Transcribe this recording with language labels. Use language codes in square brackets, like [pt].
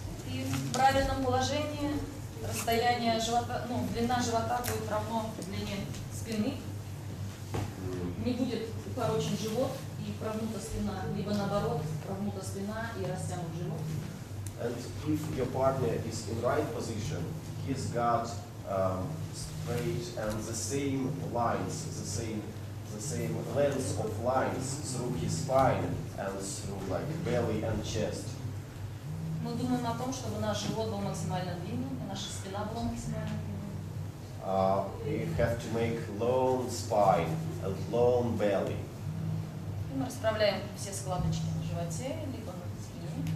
[ru] И в правильном положении расстояние живота, ну, длина живота будет равно длине спины. Не будет упорочен живот и прогнута спина, либо наоборот, прогнута спина и растянут живот. [en] And if your partner is in right position, he's got straight and the same lines, the same length of lines through his spine and through like belly and chest. [ru] Мы думаем о том, чтобы наш живот был максимально длинным, и наша спина максимально наша спина была максимально прямой. [en] We have to make long spine, a long belly. [ru] И мы расправляем все складочки на животе, либо на спине.